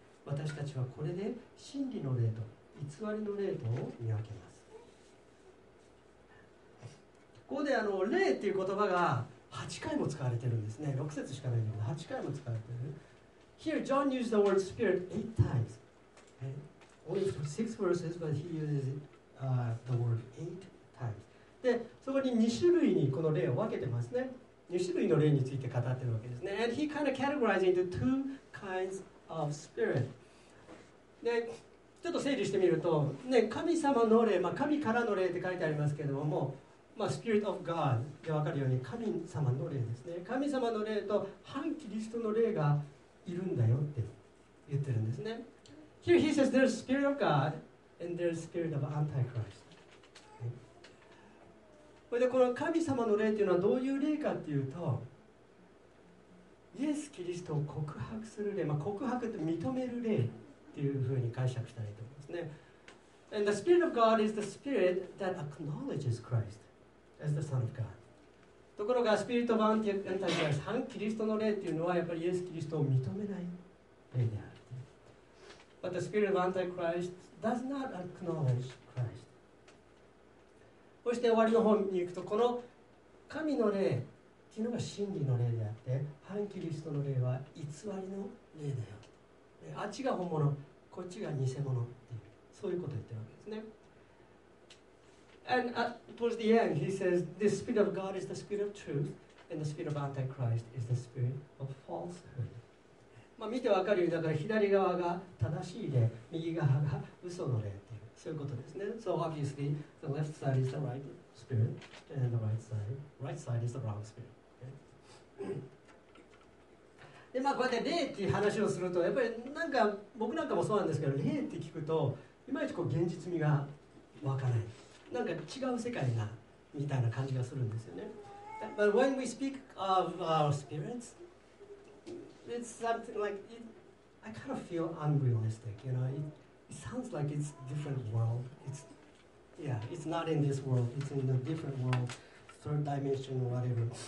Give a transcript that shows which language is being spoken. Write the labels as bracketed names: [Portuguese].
[Japanese] 私たちはこれで真理の霊と偽りの霊とを見分けます。ここであの霊っていう言葉が8回も使われてるんですね。 6節しかないので8回も使われてる。 [English] Here John used the word spirit 8 times. Only for 6 verses, but he uses it, the word 8 times. [Japanese] で、そこに2種類にこの霊を分けてますね。2種類の霊について語ってるわけですね。 [English] And he kind of categorizes into two kinds of spirit. [Japanese] で、ちょっと整理してみると、ね、神様の霊、まあ、神からの霊って書いてありますけれども、まあ、 [English] Spirit of God [Japanese] で分かるように神様の霊ですね。神様の霊と反キリストの霊がいるんだよって言ってるんですね。 [English] Here he says there's Spirit of God and there's Spirit of Antichrist.、Okay. [Japanese] でこの神様の霊というのはどういう霊かっていうと、イエス・キリストを告白する霊、まあ、告白って認める霊っていうふうに解釈したらいいと思いますね。 [English] And the Spirit of God is the Spirit that acknowledges Christ. As the Son of God. [Japanese] ところが、スピリットオブアンタイクライスト、反キリストの霊というのは、やっぱりイエス・キリストを認めない霊である。 [English] But the spirit of Antichrist does not acknowledge Christ. [Japanese] そして、終わりの方に行くと、この神の霊というのが真理の霊であって、反キリストの霊は偽りの霊だよ。あっちが本物、こっちが偽物っていう、そういうことを言ってるわけですね。 [English] And at, towards the end, he says, the spirit of God is the spirit of truth, and the spirit of Antichrist is the spirit of falsehood. [Japanese] まあ見てわかるように、だから左側が正しい霊、右側が嘘の霊っていう、そういうことですね。 [English] So obviously, the left side is the right spirit, and the right side is the wrong spirit.、Okay? [Japanese] で、まあこうやって霊っていう話をすると、やっぱりなんか僕なんかもそうなんですけど、霊って聞くと、いまいちこう現実味がわかない。なんか違う世界なみたいな感じがするんですよね。 [English] But when we speak of our spirits, it's something like, it, I kind of feel unrealistic, you know. It, sounds like it's different world. It's, yeah, it's not in this world. It's in a different world, third dimension or whatever.